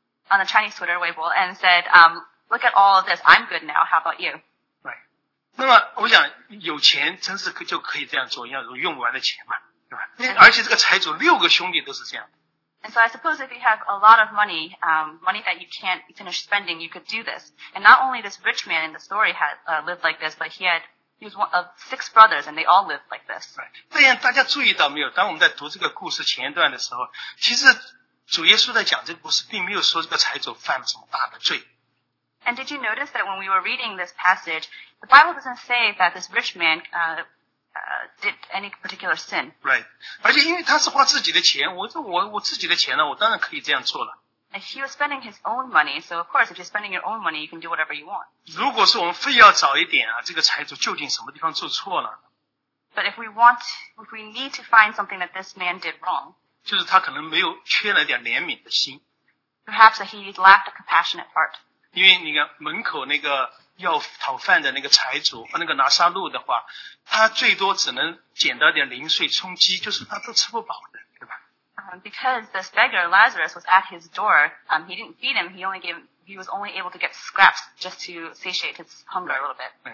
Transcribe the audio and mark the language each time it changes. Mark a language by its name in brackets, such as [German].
[English] On the Chinese Twitter, Weibo, and said, look at all of this, I'm good now, how about you? Right. [Chinese] 那么我想有钱真是就可以这样做，要有用不完的钱嘛，对吧？而且这个财主六个兄弟都是这样。 [English] And so I suppose if you have a lot of money, money that you can't finish spending, you could do this. And not only this rich man in the story had lived like this, but he was one of six brothers and they all lived like this. Right. [Chinese] 对呀，大家注意到没有？当我们在读这个故事前段的时候，其实主耶稣在讲这个故事，并没有说这个财主犯了什么大的罪。 [English] And did you notice that when we were reading this passage, the Bible doesn't say that this rich man, did any particular sin. Right. [Chinese] 而且因为他是花自己的钱，我自己的钱呢，我当然可以这样做了。 [English] He was spending his own money, so of course, if you're spending your own money, you can do whatever you want. [Chinese] 如果是我们非要找一点啊, 这个财主究竟什么地方做错了? [English] But if we need to find something that this man did wrong, [Chinese] 就是他可能没有缺了点怜悯的心, [English] perhaps that he lacked a compassionate heart. [Chinese] 因为你看门口那个要讨饭的那个财主, 那个拿沙路的话, 他最多只能捡到点零碎充饥, 就是他都吃不饱的。 [English] Because this beggar Lazarus was at his door, he didn't feed him. He was only able to get scraps just to satiate his hunger a little bit.